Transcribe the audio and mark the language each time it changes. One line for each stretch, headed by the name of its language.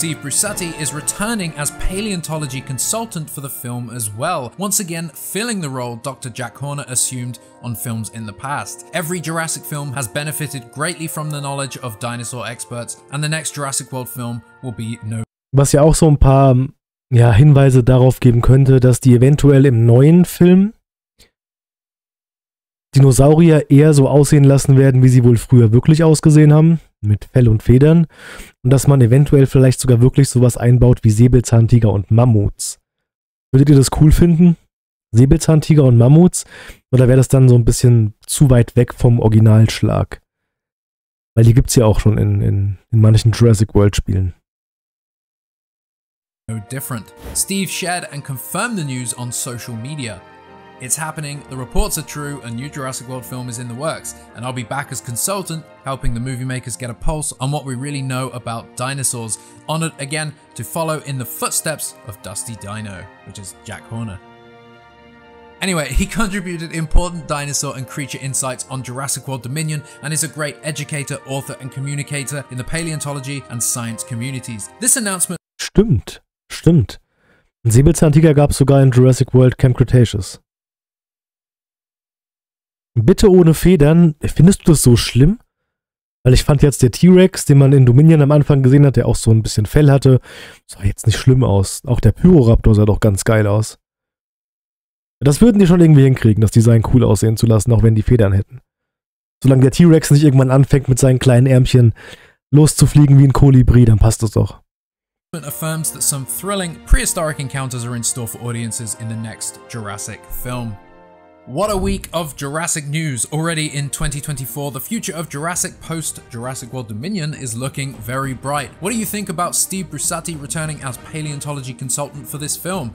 English: Steve Brusatti is returning as paleontology consultant for the film as well, once again filling the role Dr. Jack Horner assumed on films in the past. Every Jurassic film has benefited greatly from the knowledge of dinosaur experts, and the next Jurassic World film will be no.
German: Was ja auch so ein paar ja, Hinweise darauf geben könnte, dass die eventuell im neuen Film Dinosaurier eher so aussehen lassen werden, wie sie wohl früher wirklich ausgesehen haben, mit Fell und Federn, und dass man eventuell vielleicht sogar wirklich sowas einbaut wie Säbelzahntiger und Mammuts. Würdet ihr das cool finden? Säbelzahntiger und Mammuts? Oder wäre das dann so ein bisschen zu weit weg vom Originalschlag? Weil die gibt's ja auch schon in manchen Jurassic World Spielen.
English: No different. Steve shared and confirmed the news on social media. It's happening, the reports are true, a new Jurassic World film is in the works, and I'll be back as consultant, helping the movie makers get a pulse on what we really know about dinosaurs. Honored again to follow in the footsteps of Dusty Dino, which is Jack Horner. Anyway, he contributed important dinosaur and creature insights on Jurassic World Dominion and is a great educator, author, and communicator in the paleontology and science communities. This announcement.
German: Stimmt, stimmt. Ein Säbelzahntiger gab's sogar in Jurassic World Camp Cretaceous. Bitte ohne Federn, findest du das so schlimm? Weil ich fand jetzt der T-Rex, den man in Dominion am Anfang gesehen hat, der auch so ein bisschen Fell hatte, sah jetzt nicht schlimm aus. Auch der Pyroraptor sah doch ganz geil aus. Das würden die schon irgendwie hinkriegen, das Design cool aussehen zu lassen, auch wenn die Federn hätten. Solange der T-Rex nicht irgendwann anfängt, mit seinen kleinen Ärmchen loszufliegen wie ein Kolibri, dann passt das doch.
English: Affirms that some thrilling prehistoric encounters are in store for audiences in the next Jurassic film. What a week of Jurassic news! Already in 2024, the future of Jurassic post Jurassic World Dominion is looking very bright. What do you think about Steve Brusatti returning as paleontology consultant for this film?